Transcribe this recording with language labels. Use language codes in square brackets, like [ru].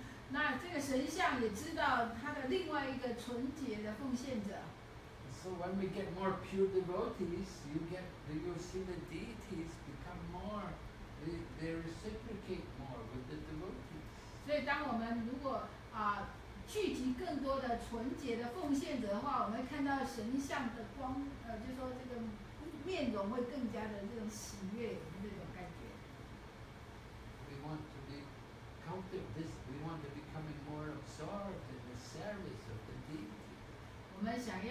[zh] 那这个神像也知道他的另外一个纯洁的奉献者。 [en] So when we get more pure devotees, you'll see the deities become more, they reciprocate more with the devotees. [zh] 所以当我们如果聚集更多的纯洁的奉献者的话，我们看到神像的光，就说这个面容会更加的这种喜悦，那种感觉。 [en] We want to be becoming more absorbed in the service of the deity.